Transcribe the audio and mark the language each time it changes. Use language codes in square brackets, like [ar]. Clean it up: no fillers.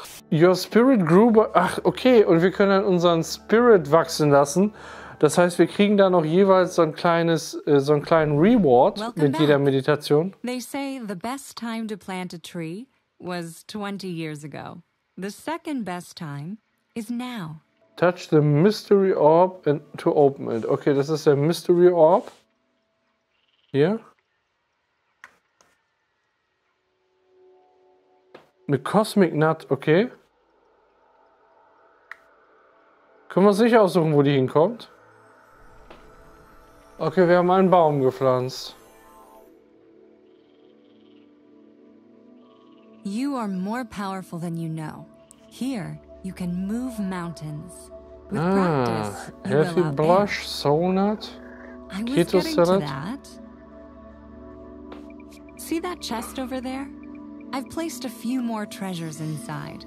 [en] Your spirit grew by, [de] ach, okay, und wir können dann unseren Spirit wachsen lassen. Das heißt, wir kriegen da noch jeweils so einen kleinen Reward. [en] Welcome [de] mit jeder [en] back. [de] Meditation. [en] They say the best time to plant a tree was 20 years ago. The second best time is now. Touch the mystery orb and to open it. [de] Okay, das ist der Mystery Orb. Hier. Eine Cosmic Nut, okay. Können wir sicher aussuchen, wo die hinkommt? Okay, wir haben einen Baum gepflanzt. [en] You are more powerful than you know. Here, you can move mountains. With practice, you Healthy Blush, Soul Nut, Keto Salad. See that chest over there? I've placed a few more treasures inside.